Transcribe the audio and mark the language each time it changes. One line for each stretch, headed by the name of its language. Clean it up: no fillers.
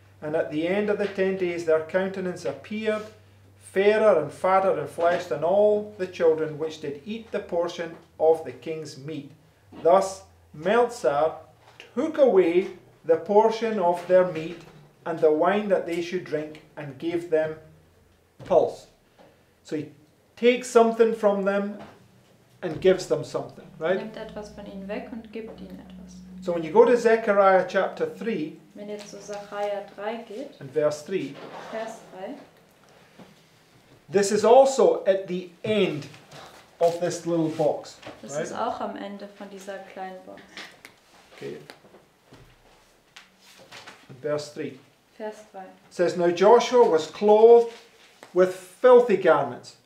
English: And at the end of the 10 days, their countenance appeared fairer and fatter in flesh than all the children which did eat the portion of the king's meat. Thus Meltzer took away the portion of their meat and the wine that they should drink and gave them pulse. So he takes something from them and gives them something, right?
German: Nimmt etwas von ihnen weg und gibt ihnen etwas.
English: So when you go to Zechariah chapter 3,
German: wenn ihr zu Zechariah 3 geht,
English: and verse 3,
German: Vers 3,
English: this is also at the end of this little box.
German: Das
English: right?
German: ist auch am Ende von dieser kleinen Box.
English: Okay. Verse 3.
German: Vers 3.
English: It says, now Joshua was clothed with filthy garments.